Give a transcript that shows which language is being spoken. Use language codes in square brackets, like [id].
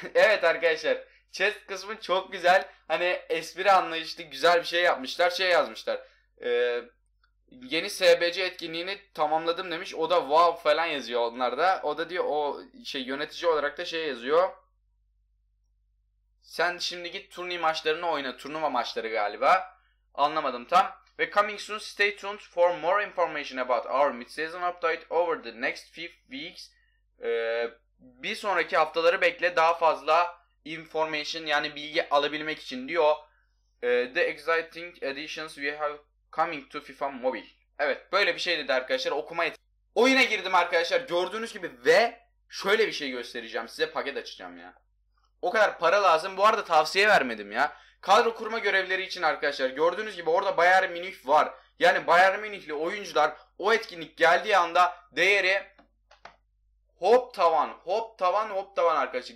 [tr] Evet arkadaşlar, chat kısmı çok güzel. Hani espri anlayışlı güzel bir şey yapmışlar. Şey yazmışlar. Yeni SBC etkinliğini tamamladım demiş. O da wow falan yazıyor onlar da. O da diyor, o şey yönetici olarak da şey yazıyor. Sen şimdi git turni maçlarını oyna. Turnuva maçları galiba. Anlamadım tam. [en] Ve coming soon, stay tuned for more information about our mid-season update over the next few weeks. [tr] Bir sonraki haftaları bekle daha fazla information, yani bilgi alabilmek için diyor. [en] The exciting additions we have coming to FIFA Mobile. [tr] Evet, böyle bir şey dedi arkadaşlar. Okuma yeti. Oyuna girdim arkadaşlar gördüğünüz gibi ve şöyle bir şey göstereceğim. Size paket açacağım ya. O kadar para lazım. Bu arada tavsiye vermedim ya. Kadro kurma görevleri için arkadaşlar gördüğünüz gibi orada Bayern Münih var. Yani Bayern Münihli oyuncular o etkinlik geldiği anda değeri hop tavan, hop tavan, hop tavan arkadaşlar.